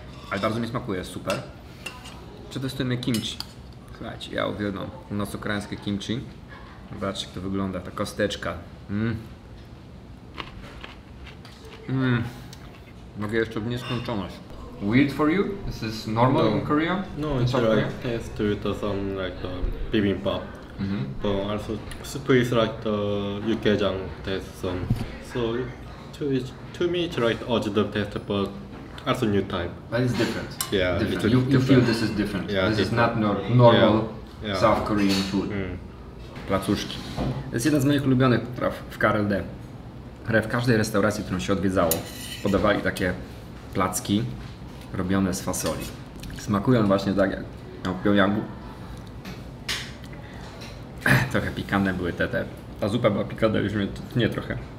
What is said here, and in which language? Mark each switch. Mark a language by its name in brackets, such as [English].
[Polish] Ale bardzo mi smakuje, super. Przetestujemy kimchi. Słuchajcie, ja uwielbiam północno-koreańskie kimchi. Zobaczcie, jak to wygląda, ta kosteczka. Mogę jeszcze w nieskończoność. [English] Weird for you? This is normal in Korea? No, it's like taste to some like bibimbap. But also soup is like the yukgaejang taste some. So to me it's like original taste, but also new type. But it's different. Yeah, different. You feel this is different. Yeah, this is not normal South Korean food. [Polish] Placuszki. To jest jedna z moich ulubionych potraw w KRLD. Ale w każdej restauracji, którą się odwiedzało, podawali takie placki robione z fasoli. Smakują właśnie tak jak na Pyongyangu. Trochę pikantne były te. Ta zupa była pikantna, już mnie tnie trochę.